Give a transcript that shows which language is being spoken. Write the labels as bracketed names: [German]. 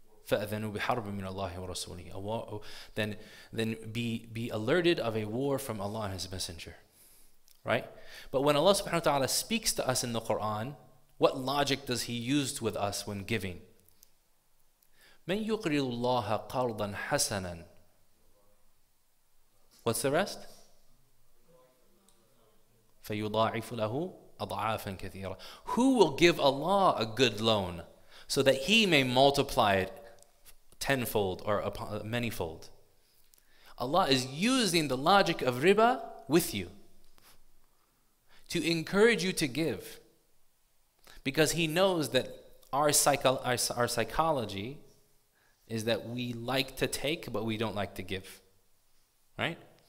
[Arabic] فَأَذَنُوا بِحَرْبٍ مِّنَ اللَّهِ وَرَسُولِهِ [English] Then be alerted of a war from Allah and His Messenger. Right? But when Allah subhanahu wa ta'ala speaks to us in the Qur'an, what logic does He use with us when giving? [Arabic] مَنْ يُقْرِضُ اللَّهَ قَرْضًا حَسَنًا [English] What's the rest? [Arabic] فَيُضَاعِفُ لَهُ أَضْعَافًا كَثِيرًا [English] Who will give Allah a good loan so that He may multiply it tenfold or manyfold? Allah is using the logic of riba with you to encourage you to give, because He knows that our psychology is that we like to take but we don't like to give. Right?